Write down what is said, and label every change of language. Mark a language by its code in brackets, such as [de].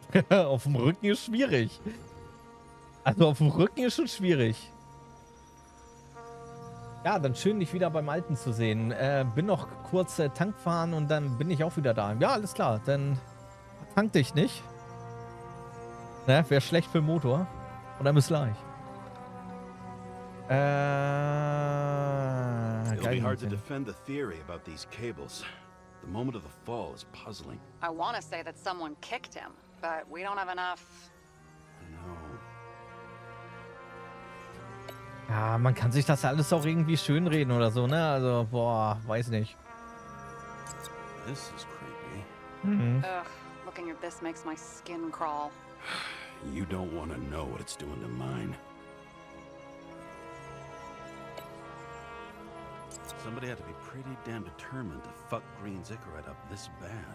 [de] Auf dem Rücken ist schwierig. Also auf dem Rücken ist schon schwierig. Ja, dann schön, dich wieder beim Alten zu sehen. Bin noch kurz Tank fahren und dann bin ich auch wieder da. Ja, alles klar, dann tank dich nicht. Ne, wäre schlecht für den Motor. Und dann bis gleich. [en] It'll be hard to defend the theory about these cables. The moment of the fall is puzzling. I want to say that someone kicked him, but we don't have enough. No. [de] Ja, man kann sich das alles auch irgendwie schönreden oder so, ne? Also, boah, weiß nicht. [en] This is creepy. Ugh, looking at this makes my skin crawl. You don't want to know what it's doing to mine. Somebody had to be pretty damn determined to fuck Green's Icarus up this bad.